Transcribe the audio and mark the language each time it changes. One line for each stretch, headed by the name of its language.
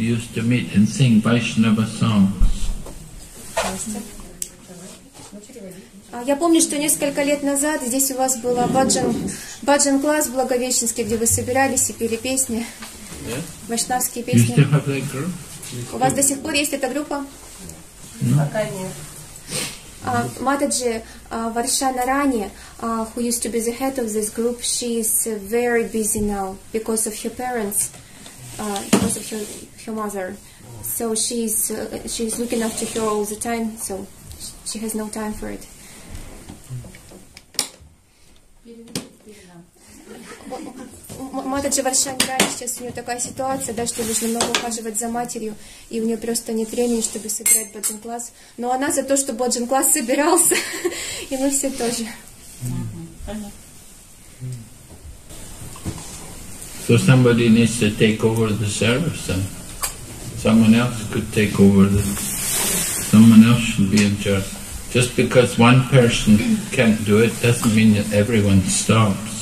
English: You used to meet and sing Vaishnava songs.
Russian: Я помню, что несколько лет назад здесь у вас была баджан класс в Благовещенске, где вы собирались и пели песни, вайшнавские песни.
English: You still have that group?
Russian: У вас до сих пор есть эта группа? Пока нет.
English: Mataji Varshana Rani, who used to be the head of this group, she is very busy now because of her parents, because of her mother. So she's looking after her all the time, so she has no time for it.
Russian: Mataji Varshana Rani, сейчас у нее такая ситуация, да, что нужно много ухаживать за матерью, и у нее просто нет времени, чтобы собирать баджан-класс. Но она за то, что баджан-класс собирался, и мы все тоже.
English: So somebody needs to take over the service, then. Someone else could take over the... Someone else should be in charge. Just because one person can't do it, doesn't mean that everyone stops.